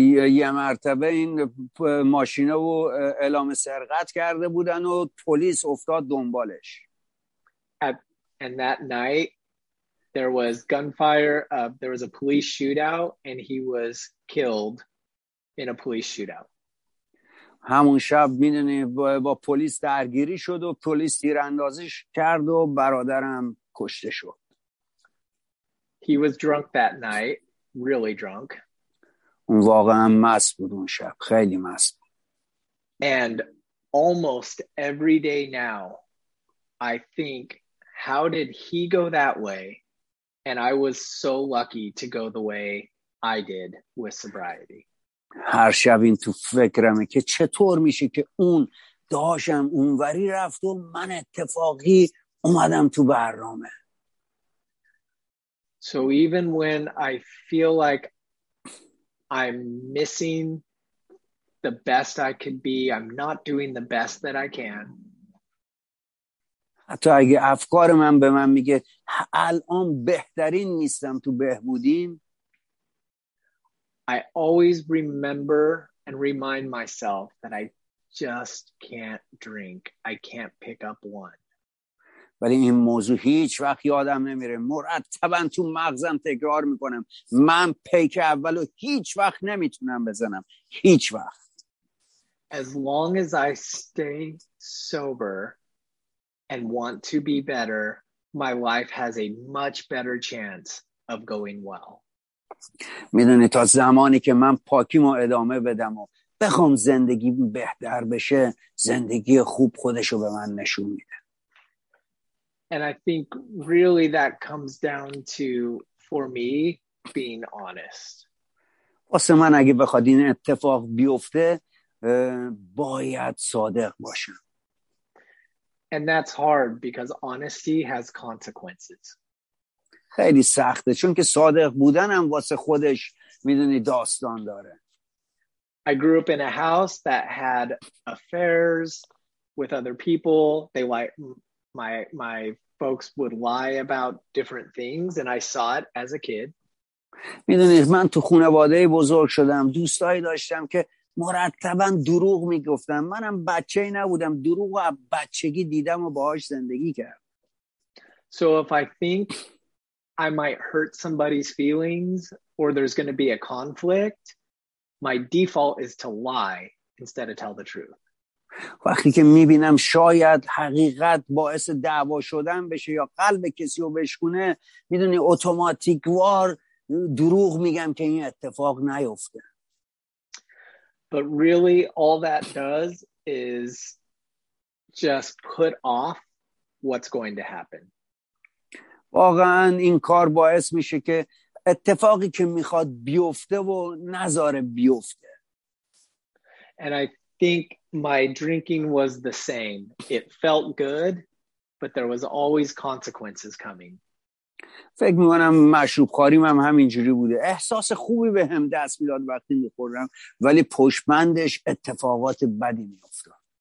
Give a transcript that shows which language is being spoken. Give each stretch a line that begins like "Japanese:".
Persian: یه مرتبه این ماشینه رو اعلام سرقت کرده بودن و پلیس افتاد دنبالش.
English: And that night, there was gunfire. There was a police shootout, and he was killed in a police shootout.
Persian: همون شب میدونی با پلیس درگیری شد و پلیس تیراندازیش کرد و برادرم کشته شد.
English: He was drunk that night, really drunk.
Persian: اون واقعا مست بود اون شب، خیلی مست.
English: And almost every day now I think how did he go that way and I was so lucky to go the way I did with sobriety.
Persian: هر شب این تو فکرمه که چطور میشه که اون داشم اونوری رفت و من اتفاقی اومدم تو برنامه.
English: So even when I feel like I'm missing the best I could be, I'm not doing the best that I can.
Persian: حتی اگه افکار من به من میگه الان بهترین نیستم تو بهبودیم،
English: I always remember and remind myself that I just can't drink. I can't pick up one.
Persian: ولی این موضوع هیچ وقت یادم نمیره. مرتبا تو مغزم تکرار میکنم. من پیک اولو هیچ وقت نمیتونم بزنم. هیچ وقت.
English: As long as I stay sober and want to be better, my life has a much better chance of going well.
Persian: میدونی تا زمانی که من پاکیمو ادامه بدم و بخوام زندگی بهتر بشه، زندگی خوب خودشو به من نشون میده.
English: And I think really that comes down to for me being honest.
Persian: واسه من اگه بخواد این اتفاق بیفته باید صادق باشم.
English: And that's hard because honesty has consequences.
Persian: خیلی سخته چون که صادق بودنم واسه خودش میدونی داستان داره.
English: I grew up in a house that had affairs with other people. They like my folks would lie about different things and I saw it as a kid.
Persian: میدونی من تو خانواده بزرگ شدم، دوستایی داشتم که مرتبا دروغ میگفتن. منم بچه‌ای نبودم، دروغ و بچگی دیدم و باهاش زندگی کردم.
English: So if I think I might hurt somebody's feelings or there's going to be a conflict, my default is to lie instead of tell the truth.
Persian: وقتی که میبینم شاید حقیقت باعث دعوا شدن بشه یا قلب کسی رو بشکونه، میدونی اتوماتیک وار دروغ میگم که این اتفاق نیفته.
English: But really all that does is just put off what's going to happen.
Persian: واقعا این کار باعث میشه که اتفاقی که میخواد بیفته و نذاره بیفته.
English: And I think my drinking was the same. It felt good, but there was always consequences coming.
Persian: فکر میکنم مشروب خوریم هم همینجوری بوده. احساس خوبی به هم دست میداد وقتی میخوردم، ولی پشمندش اتفاقات بدی میافتاد.